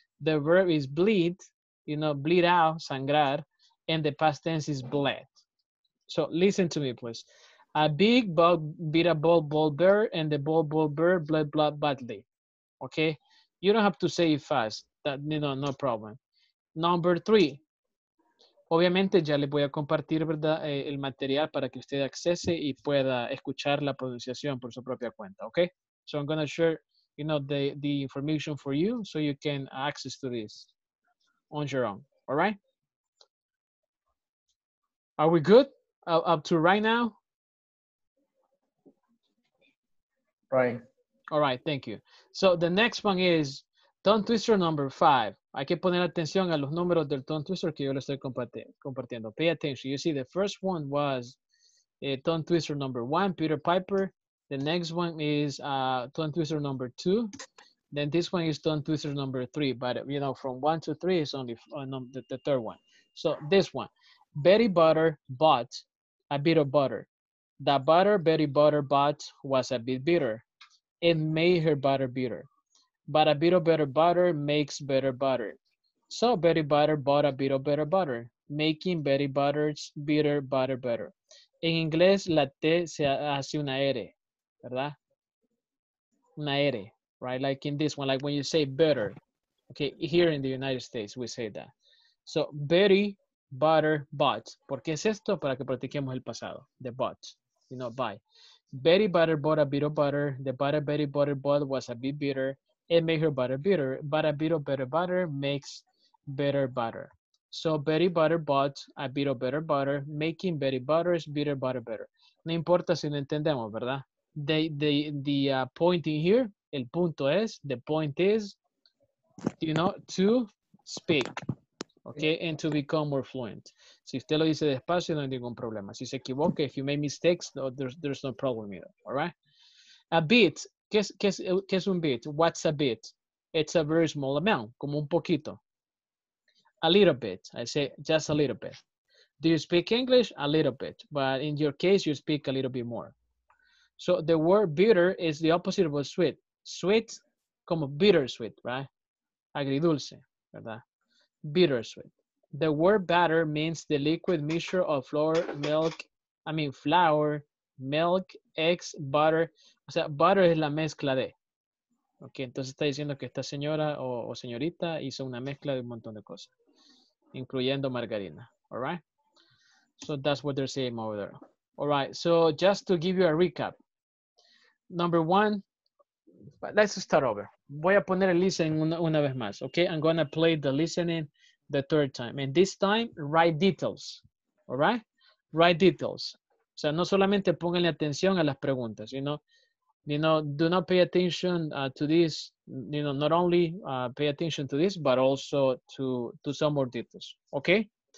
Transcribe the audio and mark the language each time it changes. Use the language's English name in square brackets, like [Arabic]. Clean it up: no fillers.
[English] The verb is bleed, you know, bleed out, sangrar, and the past tense is bled. So listen to me, please. A big bug beat a bald bear, and the bald bear bled blood badly, okay? You don't have to say it fast, that, you know, no problem. Number three. [Spanish] Obviamente ya les voy a compartir, ¿verdad?, el material para que usted accese y pueda escuchar la pronunciación por su propia cuenta, ¿ok? [English] So I'm going to share, you know, the information for you so you can access to this on your own, all right? Are we good up to right now? Right. All right, thank you. So the next one is tongue twister number 5. [Spanish] Hay que poner atención a los números del tongue twister que yo le estoy compartiendo. [English] Pay attention. You see, the first one was tongue twister number 1, Peter Piper. The next one is tongue twister number 2. Then this one is tongue twister number 3. But, you know, from 1 to 3 is only the third one. So this one. Betty Butter bought a bit of butter. The butter Betty Butter bought was a bit bitter. It made her butter bitter. But a bit of better butter makes better butter. So Betty Butter bought a bit of better butter, making Betty Butter's bitter butter better. [Spanish] En inglés, la T se hace una R, ¿verdad? Una R, right? [English] Like in this one, like when you say better. Okay, here in the United States, we say that. So Betty Butter bought. [Spanish] ¿Por qué es esto? Para que practiquemos el pasado, [English] the bought, you know, buy. Betty Butter bought a bit of butter. The butter Betty Butter bought was a bit bitter. It makes her butter bitter, but a bit of better butter makes better butter. So Betty Butter bought a bit of better butter, making Betty Butter's bitter butter better. [Spanish] No importa si no entendemos, ¿verdad? [English] The point in here, [Spanish] el punto es, [English] the point is, you know, to speak, okay, and to become more fluent. [Spanish] Si usted lo dice despacio, no hay ningún problema. Si se equivoca, [English] if you make mistakes, no, there's no problem either, all right? A bit. [Spanish] ¿Qué es un bit? [English] What's a bit? It's a very small amount, [Spanish] como un poquito. [English] A little bit. I say just a little bit. Do you speak English? A little bit. But in your case, you speak a little bit more. So the word bitter is the opposite of sweet. Sweet, como bittersweet, right? Agridulce, ¿verdad? Bittersweet. The word batter means the liquid mixture of flour, milk, eggs, butter. [Spanish] O sea, butter es la mezcla de. Ok, entonces está diciendo que esta señora o señorita hizo una mezcla de un montón de cosas, incluyendo margarina. [English] Alright? So that's what they're saying over there. Alright, so just to give you a recap. Number one, let's start over. [Spanish] Voy a poner el listening una vez más. [English] Ok, I'm going to play the listening the third time. And this time, write details. Alright? Write details. [Spanish] O sea, no solamente pónganle atención a las preguntas, [English] you know, do not pay attention to this, you know, not only pay attention to this, but also to some more details, okay?